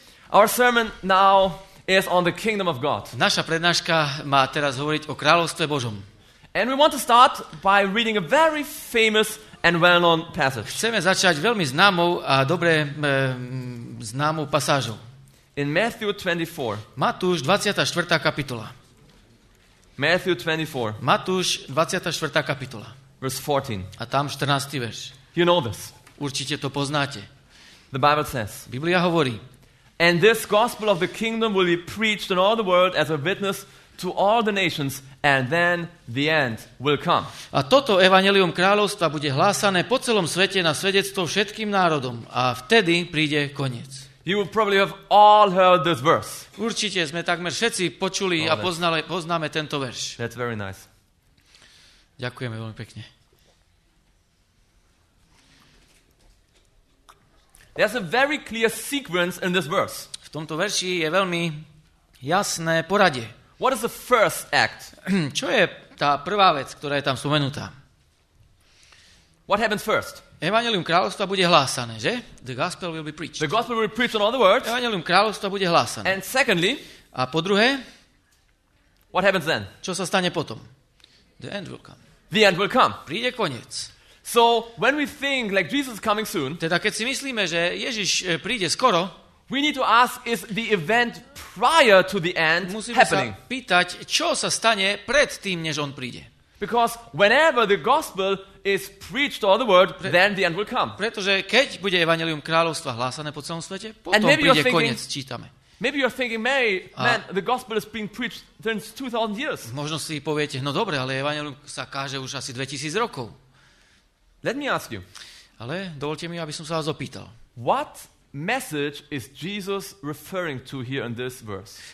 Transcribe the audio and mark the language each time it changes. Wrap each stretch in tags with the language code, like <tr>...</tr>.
<en>Our sermon now is on the kingdom of God.</en> <sk>Naša prednáška má teraz hovoriť o kráľovstve Božom.</sk> <en>And we want to start by reading a very famous and well-known passage.</en> <sk>Chceme začať veľmi známou a dobre známou pasážou.</sk> <en>In Matthew 24.</en> <sk>Matúš 24. kapitola.</sk> <en>Matthew 24.</en> <sk>Matúš 24. kapitola.</sk> <en>Verse 14.</en> <sk>A tam 14. verš.</sk> <en>You know this.</en> <sk>Určite to poznáte.</sk> <en>The Bible says.</en> <sk>Biblia hovorí.</sk> <en>And this gospel of the kingdom will be preached in all the world as a witness to all the nations, and then the end will come.</en> <sk>A toto evanjelium kráľovstva bude hlásané po celom svete na svedectvo všetkým národom, a vtedy príde koniec.</sk> <en>You probably have all heard this verse.</en> <sk>Určite sme takmer všetci počuli a poznáme tento verš.</sk> <en>That's very nice.</en> <sk>Ďakujeme veľmi pekne.</sk> <en>There's a very clear sequence in this verse.</en> <sk>V tomto verši je veľmi jasné poradie.</sk> <en>What is the first act?</en> <sk>Čo je tá prvá vec, ktorá je tam spomenutá?</sk> <en>What happens first?</en> <sk>Evanjelium kráľovstva bude hlásané, že?</sk> <en>The gospel will be preached. The gospel will be preached in all the world.</en> <sk>Evanjelium kráľovstva bude hlásané.</sk> <en>And secondly?</en> <sk>A po druhé?</sk> <en>What happens then?</en> <sk>Čo sa stane potom?</sk> <en>The end will come. The end will come.</en> <sk>Príde koniec.</sk> <en>So when we think like Jesus is coming soon,</en> <sk>teda keď si myslíme, že Ježiš príde skoro,</sk> <en>we need to ask is the event prior to the end happening.</en> <sk>Musíme sa pýtať, čo sa stane pred tým, než on príde.</sk> <en>Because whenever the gospel is preached all the world, then the end will come.</en> <sk>Pretože keď bude evanjelium kráľovstva hlásané po celom svete, potom príde koniec, čítame.</sk> <en>Maybe you're thinking, man, the gospel is being preached since 2000 years.</en> <sk>Možno si poviete, no dobre, ale evanjelium sa káže už asi 2000 rokov.</sk> <en>Let me ask you.</en> <sk>Ale dovolte mi, aby som sa vás opýtal.</sk> <en>What message is Jesus referring to here in this verse?</en>